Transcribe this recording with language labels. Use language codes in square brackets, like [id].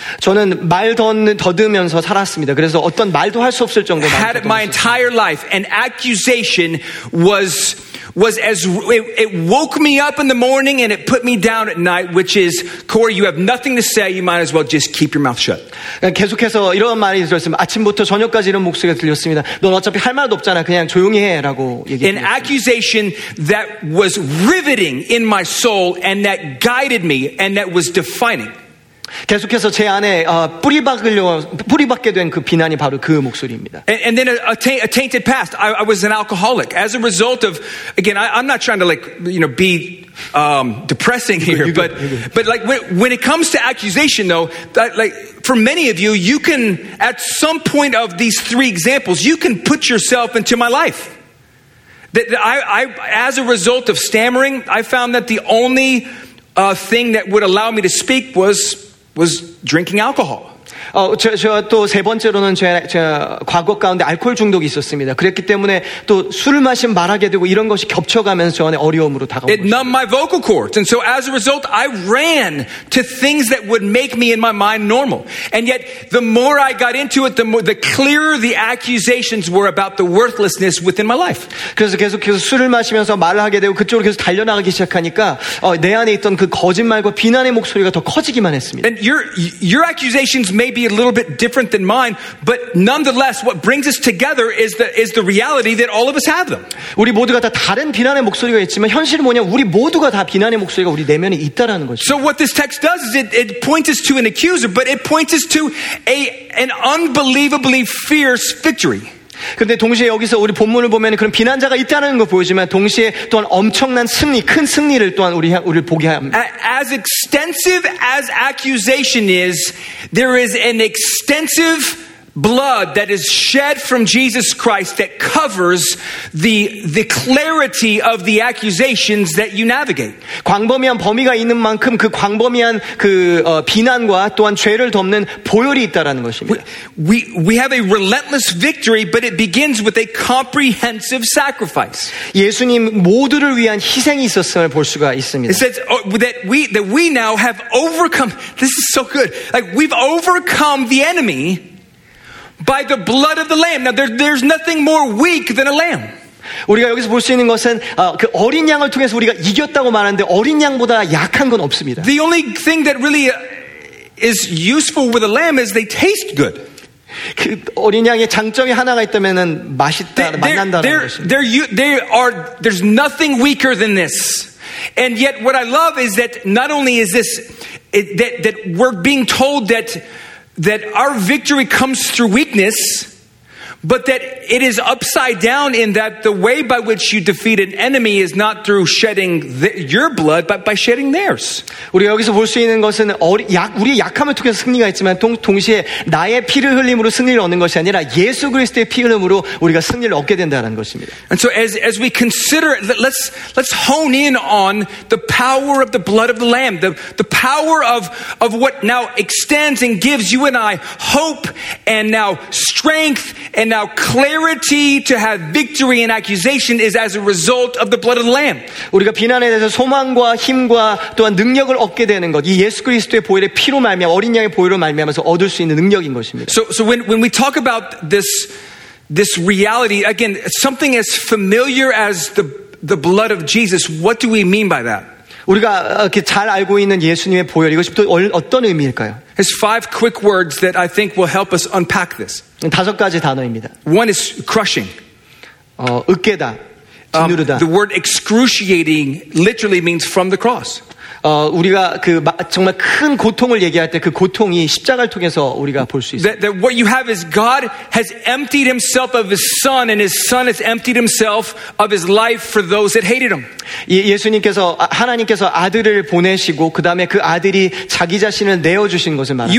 [ko] 저는 말 더듬으면서 살았습니다. 그래서 어떤 말도 할 수 없을 정도로 [en] Had it my entire life, an accusation was as it woke me up in the morning and it put me down at night, which is, Corey, you have nothing to say. You might as well just keep your mouth shut. [ko] 계속해서 이런 말이 들렸습니다. 아침부터 저녁까지 이런 목소리가 들렸습니다. 넌 어차피 할 말도 없잖아. 그냥 조용히 해라고 얘기했습니다. [en] An accusation that was riveting in my soul and that guided me and that was defining. [ko] 계속해서 제 안에 뿌리박게 된 그 비난이 바로 그 목소리입니다. [en] And then a tainted past. I was an alcoholic. As a result of, again, I'm not trying to like, you know, be depressing here, but like when it comes to accusation, though, that, like for many of you, you can at some point of these three examples, you can put yourself into my life. That I as a result of stammering, I found that the only thing that would allow me to speak was drinking alcohol. [ko] 또 세 번째로는 제 과거 가운데 알코올 중독이 있었습니다. 그랬기 때문에 또 술을 마신 말하게 되고 이런 것이 겹쳐가면서 저한테 어려움으로 다가오고 [en] It numbed my vocal cords. And so as a result, I ran to things that would make me in my mind normal. And yet, the more I got into it, the clearer the accusations were about the worthlessness within my life. [ko] 그래서 계속 술을 마시면서 말을 하게 되고 그쪽으로 계속 달려나가기 시작하니까 내 안에 있던 그 거짓말과 비난의 목소리가 더 커지기만 했습니다. [en] And your accusations may be a little bit different than mine, but nonetheless, what brings us together is the reality that all of us have them. [ko] 우리 모두가 다 다른 비난의 목소리가 있지만 현실은 뭐냐? 우리 모두가 다 비난의 목소리가 우리 내면에 있다라는 것이죠. [en] So what this text does is it points us to an accuser, but it points us to an unbelievably fierce victory. [ko] 근데 동시에 여기서 우리 본문을 보면 그런 비난자가 있다는 걸 보여주지만 동시에 또한 엄청난 승리, 큰 승리를 또한 우리를 보게 합니다. [en] As extensive as accusation is, there is an extensive blood that is shed from Jesus Christ that covers the clarity of the accusations that you navigate. [ko] 광범위한 범위가 있는 만큼 그 광범위한 그 비난과 또한 죄를 덮는 보혈이 있다라는 것입니다. [en] We have a relentless victory, but it begins with a comprehensive sacrifice. [ko] 예수님 모두를 위한 희생이 있었음을 볼 수가 있습니다. [en] It says that we now have overcome. This is so good. Like we've overcome the enemy. By the blood of the lamb. Now there's nothing more weak than a lamb. [ko] 우리가 여기서 볼 수 있는 것은 그 어린 양을 통해서 우리가 이겼다고 말하는데 어린 양보다 약한 건 없습니다. [en] The only thing that really is useful with a lamb is they taste good. [ko] 그 어린 양의 장점이 하나가 있다면은 맛있다 만난다는 것이. [en] There's nothing weaker than this. And yet what I love is that not only is this that we're being told that our victory comes through weakness, but that it is upside down in that the way by which you defeat an enemy is not through shedding your blood, but by shedding theirs. [ko] 우리가 여기서 볼 수 있는 것은 우리 약함을 통해서 승리가 있지만 동시에 나의 피를 흘림으로 승리를 얻는 것이 아니라 예수 그리스도의 피 흘림으로 우리가 승리를 얻게 된다는 것입니다. [en] And so as we consider, let's hone in on the power of the blood of the Lamb, the power of what now extends and gives you and I hope and now strength and now clarity to have victory in accusation is as a result of the blood of the lamb. [ko] 우리가 비난에 대해서 소망과 힘과 또한 능력을 얻게 되는 것, 이 예수 그리스도의 보혈의 피로 말미암아 어린 양의 보혈로 말미암아서 얻을 수 있는 능력인 것입니다. [en] So when we talk about this reality again, something as familiar as the blood of Jesus, what do we mean by that? [ko] 우리가 이렇게 잘 알고 있는 예수님의 보혈 이것이 또 어떤 의미일까요? [en] There's five quick words that I think will help us unpack this. [ko] 다섯 가지 단어입니다. [en] One is crushing. [ko] 으깨다, 짓누르다. [en] The word excruciating literally means from the cross. [ko] 우리가 그 정말 큰 고통을 얘기할 때 그 고통이 십자가를 통해서 우리가 볼 수 있습니다. [en] That what you have is God has emptied himself of his son and his son has emptied himself of his life for those that hated him. [ko] 예수님께서 하나님께서 아들을 보내시고 그다음에 그 아들이 자기 자신을 내어 주신 것을 말합니다.